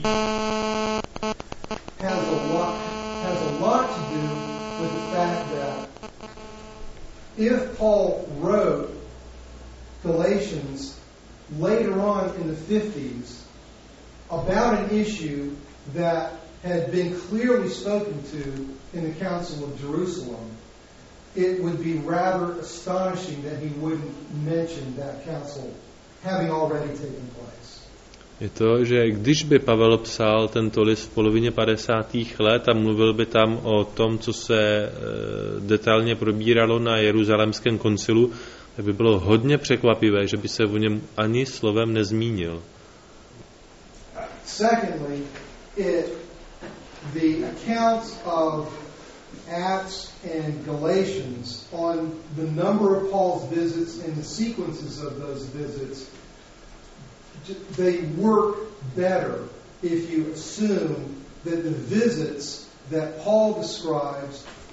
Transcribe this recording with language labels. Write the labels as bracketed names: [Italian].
[English] has a lot to do with the fact that if Paul wrote Galatians later on in the 50s about an issue that had been clearly spoken to in the Council of Jerusalem, it would be rather astonishing that he wouldn't mention that council having already taken place. [Czech] Je to, že když by Pavel psal tento list v polovině 50. let a mluvil by tam o tom, co se detailně probíralo na Jeruzalémském koncilu, tak by bylo hodně překvapivé, že by se o něm ani slovem nezmínil. [English] Secondly, the accounts of Acts and Galatians on the number of Paul's visits and the sequences of those visits, they work better if you assume that the visits that Paul describes.